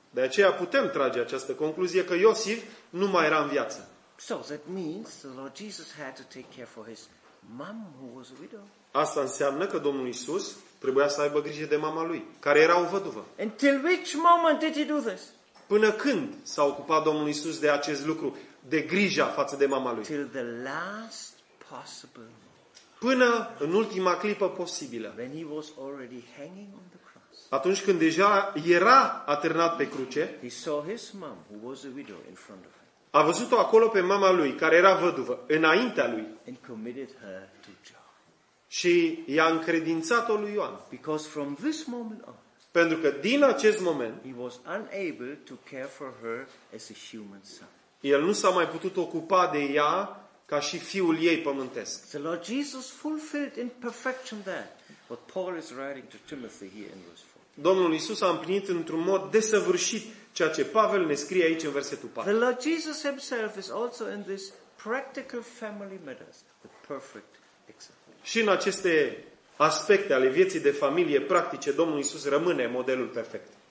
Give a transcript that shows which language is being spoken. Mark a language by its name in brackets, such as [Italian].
[Romanian] De aceea putem trage această concluzie că Iosif nu mai era în viață. [English] So that means the Lord Jesus had to take care for his mom who was a widow. [Romanian] Asta înseamnă că Domnul Iisus trebuia să aibă grijă de mama lui, care era o văduvă. [English] Until which moment did he do this? [Romanian] Până când s-a ocupat Domnul Iisus de acest lucru? de grijă față de mama lui. [English] Till the last possible moment. [Romanian] Până în ultima clipă posibilă. [English] When he was already hanging on the cross. [Romanian] Atunci când deja era atârnat pe cruce. [English] He saw his mom, who was a widow, in front of him. [Romanian] A văzut-o acolo pe mama lui, care era văduvă, înaintea lui. [English] And committed her to John. [Romanian] Și i-a încredințat-o lui Ioan. [English] Because from this moment on, [Romanian] pentru că din acest moment, [English] he was unable to care for her as a human son. [Romanian] El nu s-a mai putut ocupa de ea ca și fiul ei pământesc. [English] The Lord Jesus fulfilled in perfection there what Paul is writing to Timothy here in verse 4. [Romanian] Domnul Iisus a împlinit într-un mod desăvârșit ceea ce Pavel ne scrie aici în versetul 4. [English] The Lord Jesus himself is also in this practical family matters, the perfect example. [Romanian] Și în aceste aspecte ale vieții de familie practice, Domnul Iisus rămâne modelul perfect.